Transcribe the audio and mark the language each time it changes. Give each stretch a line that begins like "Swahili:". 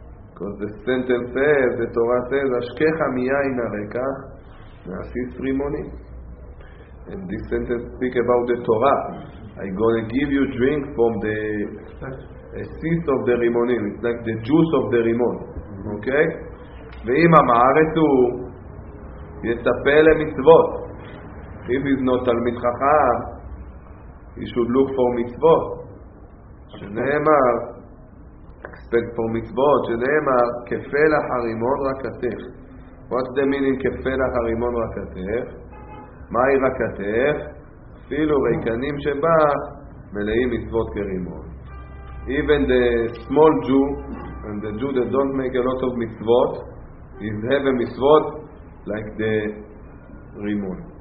English: Because the sentence says, the Torah says, Ashkecha miyayin arekach, me'asis rimonim. And this sentence speaks about the Torah. I'm going to give you drink from the asis of the rimonim. It's like the juice of the rimon. אוקיי?
Hebrew: ואם אמר, הוא יצפה למצוות. אם יבנו תלמיד חכם,
English: he should look for
Hebrew: מצוות. שנאמר,
English: expect for
Hebrew: מצוות, שנאמר, כפל החרימון רקתך.
English: What's the meaning,
Hebrew: כפל החרימון רקתך? מהי רקתך? אפילו ריקנים שבא, מלאים מצוות כרימון.
English: Even the small Jew, and the Jew that don't make a lot of מצוות, is have a מצוות like the רימון.